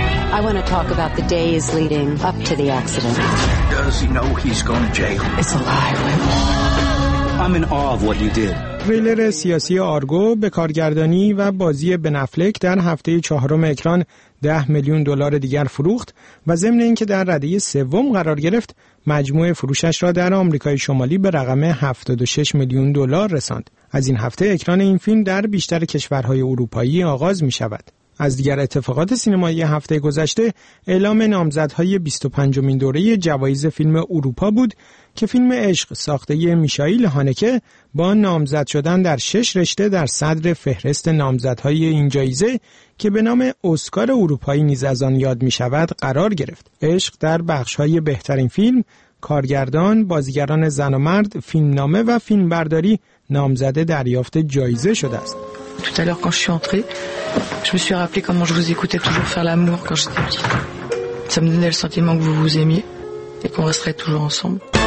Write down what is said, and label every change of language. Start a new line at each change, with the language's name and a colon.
English: I want to talk about the days leading up to the accident. Does he know he's going to jail? It's a lie. I'm in awe of what you did.
Persian: تریلر سیاسی آرگو به کارگردانی و بازی بن افلک در هفته چهارم اکران 10 میلیون دلار دیگر فروخت و ضمن اینکه در رده سوم قرار گرفت، مجموع فروشش را در آمریکای شمالی به رقم 76 میلیون دلار رساند. از این هفته اکران این فیلم در بیشتر کشورهای اروپایی آغاز می‌شود. از دیگر اتفاقات سینمایی هفته گذشته، اعلام نامزدهای 25مین دوره جوایز فیلم اروپا بود که فیلم عشق ساخته میشائیل هانکه با نامزد شدن در 6 رشته در صدر فهرست نامزدهای این جایزه که به نام اسکار اروپایی نیز از آن یاد می‌شود قرار گرفت. عشق در بخش‌های بهترین فیلم، کارگردان، بازیگران زن و مرد، فیلمنامه و فیلمبرداری نامزد دریافت جایزه شده است.
French: Tout à l'heure quand je suis entrée, je me suis rappelé comment je vous écoutais toujours faire l'amour quand j'étais petite. Ça me donnait le sentiment que vous vous aimiez et qu'on resterait toujours ensemble.